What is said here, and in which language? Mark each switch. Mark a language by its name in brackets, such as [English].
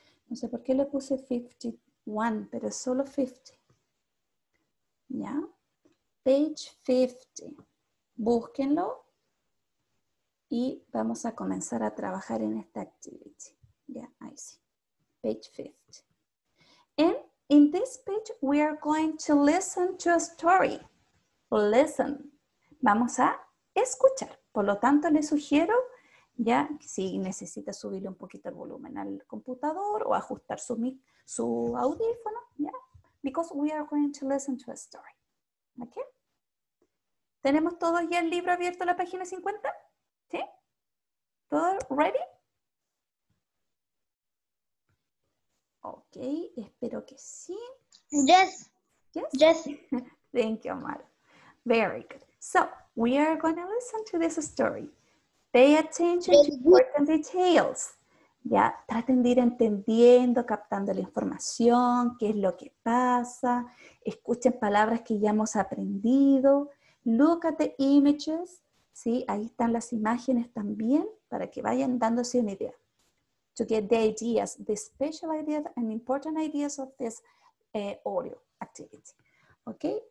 [Spanish] No sé por qué le puse 51, pero es solo 50. ¿Ya? Page 50. Búsquenlo. Y vamos a comenzar a trabajar en esta activity. ¿Ya? Ahí sí. Page 50. [English] And in this page, we are going to listen to a story. [Spanish] Listen. Vamos a escuchar. Por lo tanto, les sugiero... ¿Ya? Si necesita subirle un poquito el volumen al computador o ajustar su audífono, ¿ya? [English] Because we are going to listen to a story. ¿Ok? [Spanish] ¿Tenemos todos ya el libro abierto a la página 50? ¿Sí? ¿Todo ready? Ok, espero que sí. [English] Yes. Yes. Yes. Thank you, Amara. Very good. So, we are going to listen to this story. Pay attention to important details. [Spanish] Ya, traten de ir entendiendo, captando la información, qué es lo que pasa. Escuchen palabras que ya hemos aprendido. [English] Look at the images. [Spanish] Sí, ahí están las imágenes también para que vayan dándose una idea. [English] To get the ideas, the special ideas and important ideas of this audio activity. Ok.